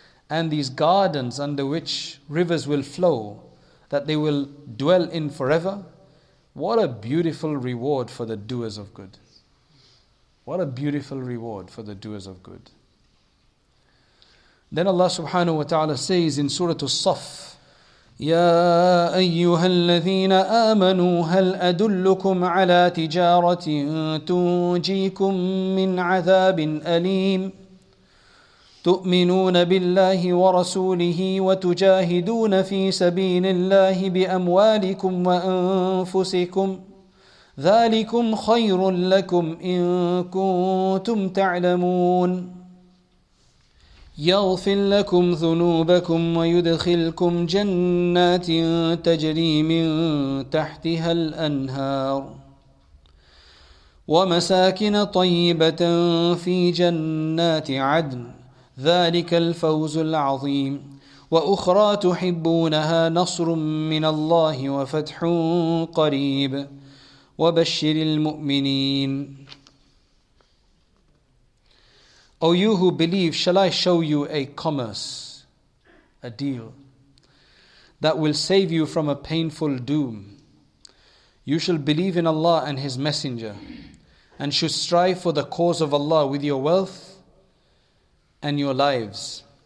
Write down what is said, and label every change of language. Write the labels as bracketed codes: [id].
[en] And these gardens under which rivers will flow, that they will dwell in forever. What a beautiful reward for the doers of good. What a beautiful reward for the doers of good. Then Allah subhanahu wa ta'ala says in Surah As-Saff, [ar] يَا أَيُّهَا الَّذِينَ آمَنُوا هَلْ أَدُلُّكُمْ عَلَىٰ تِجَارَةٍ تُنْجِيكُمْ مِنْ عَذَابٍ أَلِيمٍ تُؤْمِنُونَ بِاللَّهِ وَرَسُولِهِ وَتُجَاهِدُونَ فِي سَبِيلِ اللَّهِ بِأَمْوَالِكُمْ وَأَنفُسِكُمْ ذَلِكُمْ خَيْرٌ لَكُمْ إِن كُنتُمْ تَعْلَمُونَ يغفر لكم ذنوبكم ويدخلكم جنات تجري من تحتها الأنهار ومساكن طيبة في جنات عدن ذلك الفوز العظيم وأخرى تحبونها نصر من الله وفتح قريب وبشر المؤمنين. [en] O you who believe, shall I show you a commerce, a deal, that will save you from a painful doom? You shall believe in Allah and His Messenger, and should strive for the cause of Allah with your wealth and your lives.